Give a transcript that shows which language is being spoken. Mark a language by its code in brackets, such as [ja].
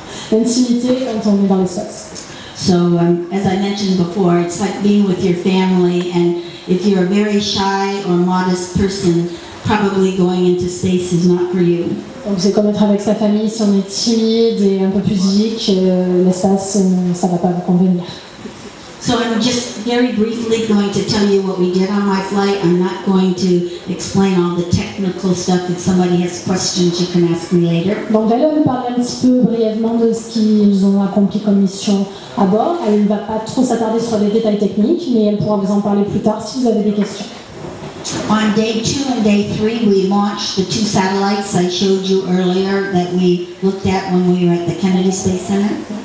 [fr] D'intimité quand on est dans l'espace. [en] So, as I mentioned before, it's like being with your family, and if you're a very shy or modest person, probably going into space is not for you. [fr] Donc, c'est comme être avec sa famille, si on est timide et un peu pudique, l'espace, ça ne va pas vous convenir. [en] So I'm just very briefly going to tell you what we did on my flight. I'm not going to explain all the technical stuff. If somebody has questions, you can ask me later. [fr] Donc elle va vous parler un petit peu brièvement de ce qu'ils ont accompli comme mission à bord. Elle ne va pas trop s'attarder sur les détails techniques, mais elle pourra vous en parler plus tard si vous avez des questions. [en] On day 2 and day 3, we launched the two satellites I showed you earlier that we looked at when we were at the Kennedy Space Center.